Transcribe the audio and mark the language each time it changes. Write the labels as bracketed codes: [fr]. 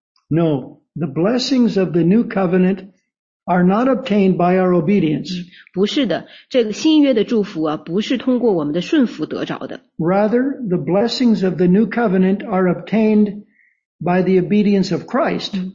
[en] ？No, the blessings of the new covenant are not obtained by our obedience. [zh] 不是的，这个新约的祝福啊，不是通过我们的顺服得着的。 [en] Rather, the blessings of the new covenant are obtained by the obedience of Christ.